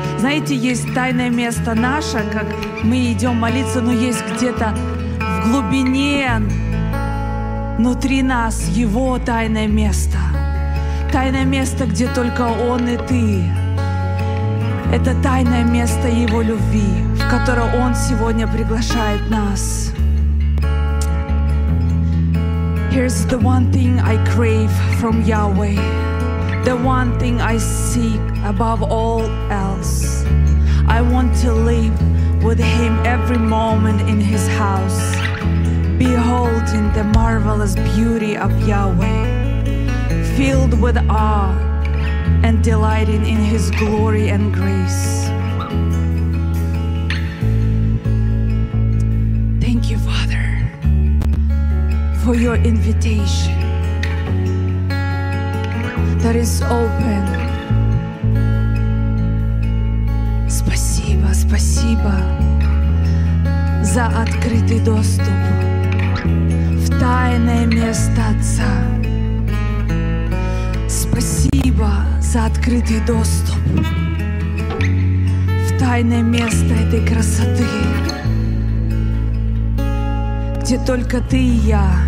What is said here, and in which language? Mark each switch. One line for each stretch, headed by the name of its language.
Russian: Знаете, есть тайное место наше, как мы идем молиться, но есть где-то в глубине, внутри нас, Его тайное место. Тайное место, где только Он и ты. Это тайное место Его любви, в которое Он сегодня приглашает нас.
English: Here's the one thing I crave from Yahweh, the one thing I seek above all else. I want to live with Him every moment in His house, beholding the marvelous beauty of Yahweh, filled with awe and delighting in His glory and grace. Thank you, Father, for your invitation that is open.
Russian: Спасибо, спасибо за открытый доступ в тайное место Отца. Спасибо за открытый доступ в тайное место этой красоты, где только ты и я.